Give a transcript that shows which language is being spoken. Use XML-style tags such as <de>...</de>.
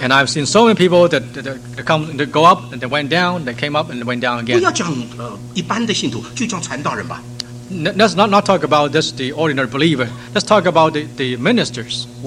<en>And I've seen so many people that go up and they went down, they came up and went down again.</en> <zh>不要讲一般的信徒,就叫传道人吧。</zh> <en>Let's not talk about just the ordinary believer. Let's talk about the ministers.</en>